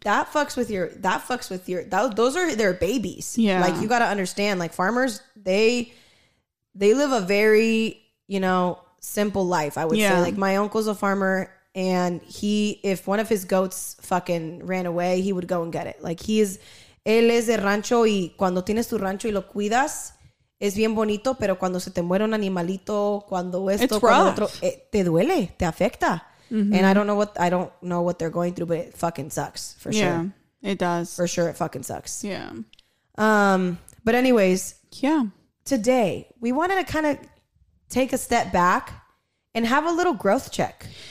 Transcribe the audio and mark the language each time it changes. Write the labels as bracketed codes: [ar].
[en] Those are their babies. Yeah. Like, you got to understand, like, farmers, they live a very, you know, simple life, I would say. Like, my uncle's a farmer, and he, if one of his goats fucking ran away, he would go and get it. [es] Like, él es de rancho, y cuando tienes tu rancho y lo cuidas, es bien bonito, pero cuando se te muere un animalito, cuando esto, [en] it's [es] cuando [en] rough. [es] Otro, te duele, te afecta. Mm-hmm. [en] And I don't know what they're going through, but it fucking sucks for sure. It does. For sure, it fucking sucks. Yeah. But anyways. Yeah. Today, we wanted to kind of take a step back and have a little growth check.